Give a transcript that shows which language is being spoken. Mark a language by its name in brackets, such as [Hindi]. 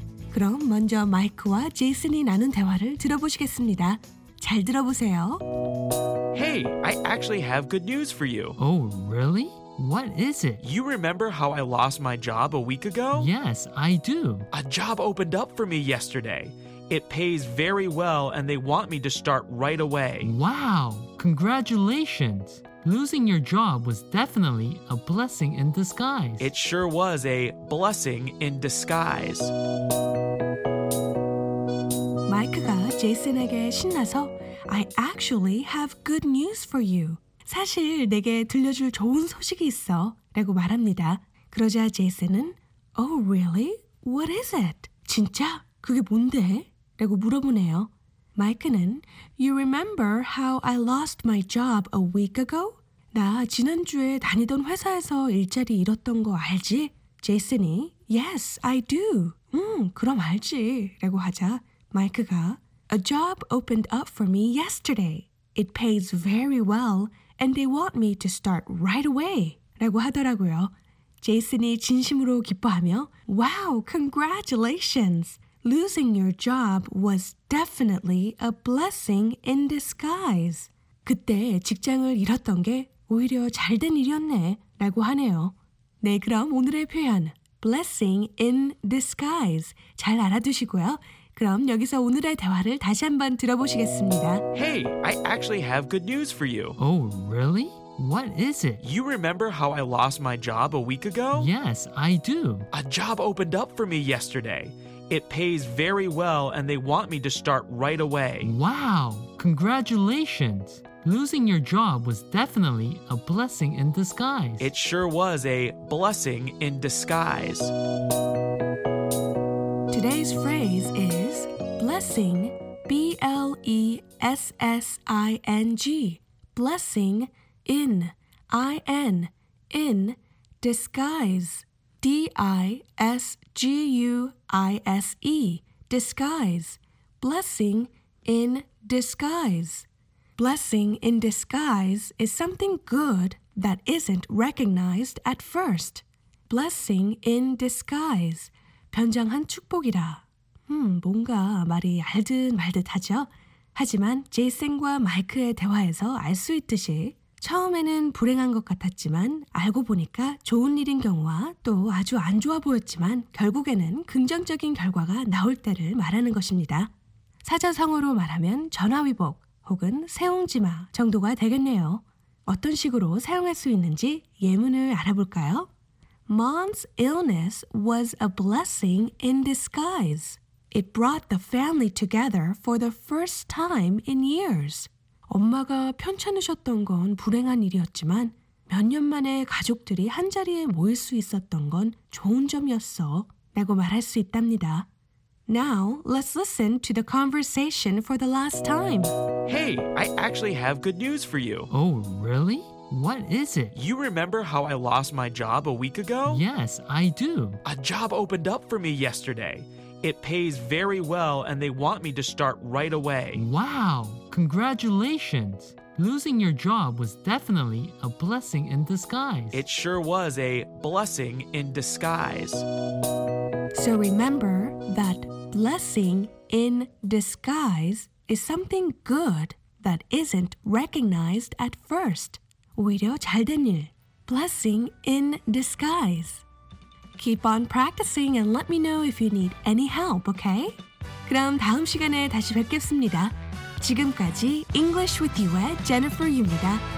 [Korean] 그럼 먼저 마이크와 제이슨이 나눈 대화를 들어보시겠습니다. 잘 들어보세요. [English] Hey, I actually have good news for you. Oh, really? What is it? You remember how I lost my job a week ago? Yes, I do. A job opened up for me yesterday. It pays very well and they want me to start right away. Wow, congratulations. Losing your job was definitely a blessing in disguise. It sure was a blessing in disguise. [Korean] 마이크가 제이슨에게 신나서 [English] I actually have good news for you. [Korean] 사실 내게 들려줄 좋은 소식이 있어 라고 말합니다. 그러자 제이슨은 [English] Oh really? What is it? [Korean] 진짜? 그게 뭔데? 라고 물어보네요. 마이크는 [English] You remember how I lost my job a week ago? [Korean] 나 지난주에 다니던 회사에서 일자리 잃었던 거 알지? 제이슨이 [English] Yes, I do. [Korean] 그럼 알지. 라고 하자 마이크가 [English] A job opened up for me yesterday. It pays very well and they want me to start right away. [Korean] 라고 하더라고요. 제이슨이 진심으로 기뻐하며 [English] Wow, congratulations! Losing your job was definitely a blessing in disguise. [Korean] 그때 직장을 잃었던 게 오히려 잘된 일이었네 라고 하네요. 네, 그럼 오늘의 표현 [English] Blessing in disguise [Korean] 잘 알아두시고요. 그럼 여기서 오늘의 대화를 다시 한번 들어보시겠습니다. [English] Hey, I actually have good news for you. Oh, really? What is it? You remember how I lost my job a week ago? Yes, I do. A job opened up for me yesterday. It pays very well and they want me to start right away. Wow, congratulations. Losing your job was definitely a blessing in disguise. It sure was a blessing in disguise. Today's phrase is blessing, B-L-E-S-S-I-N-G, blessing in, I-N, in disguise, D-I-S-G-U-I-S-E, disguise, blessing in disguise. Blessing in disguise is something good that isn't recognized at first. Blessing in disguise, [Korean] 변장한 축복이라. 뭔가 말이 알든 말듯하죠? 하지만 제이슨과 마이크의 대화에서 알 수 있듯이 처음에는 불행한 것 같았지만 알고 보니까 좋은 일인 경우와 또 아주 안 좋아 보였지만 결국에는 긍정적인 결과가 나올 때를 말하는 것입니다. 사자성어로 말하면 전화위복 혹은 세옹지마 정도가 되겠네요. 어떤 식으로 사용할 수 있는지 예문을 알아볼까요? [English] Mom's illness was a blessing in disguise. It brought the family together for the first time in years. [Korean] 엄마가 편찮으셨던 건 불행한 일이었지만 몇 년 만에 가족들이 한자리에 모일 수 있었던 건 좋은 점이었어 라고 말할 수 있답니다. [English] Now, let's listen to the conversation for the last time. Hey, I actually have good news for you. Oh, really? What is it? You remember how I lost my job a week ago? Yes, I do. A job opened up for me yesterday. It pays very well, and they want me to start right away. Wow, congratulations. Losing your job was definitely a blessing in disguise. It sure was a blessing in disguise. So remember that blessing in disguise is something good that isn't recognized at first. [Korean] 오히려 잘된 일. [English] Blessing in disguise. Keep on practicing and let me know if you need any help, okay? [Korean] 그럼 다음 시간에 다시 뵙겠습니다. 지금까지 English with you의 Jennifer Yu입니다.